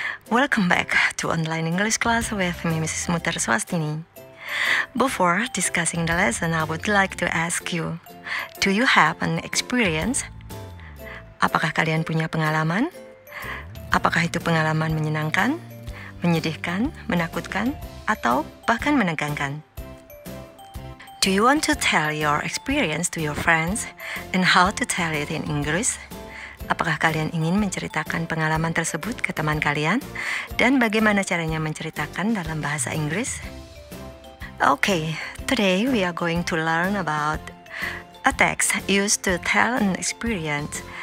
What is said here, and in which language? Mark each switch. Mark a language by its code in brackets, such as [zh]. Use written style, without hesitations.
[en] Welcome back to online English class with me, Mrs. Mutar Swastini. Before discussing the lesson, I would like to ask you, do you have an experience? [id] Apakah kalian punya pengalaman? Apakah itu pengalaman menyenangkan, menyedihkan, menakutkan, atau bahkan menegangkan? [en] Do you want to tell your experience to your friends and how to tell it in English? [id] Apakah kalian ingin menceritakan pengalaman tersebut ke teman kalian dan bagaimana caranya menceritakan dalam bahasa Inggris? [en] Okay, today we are going to learn about a text used to tell an experience.